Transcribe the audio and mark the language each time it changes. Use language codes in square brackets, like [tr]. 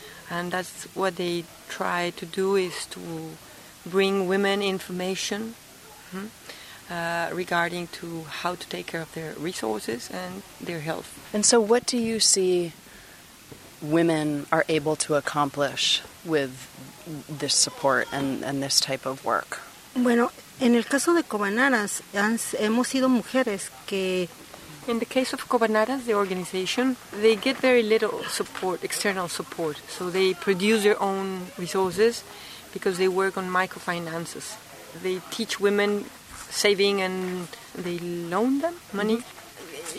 [en] And that's what they try to do, is to bring women information regarding to how to take care of their resources and their health. And so what do you see women are able to accomplish with this support and this type of work? [es] Bueno, en el caso de Cobanaras, hemos sido mujeres que... [en] In the case of Cobanaras, the organization, they get very little support, external support. So they produce their own resources, because they work on microfinances. They teach women saving and they loan them money. Mm-hmm.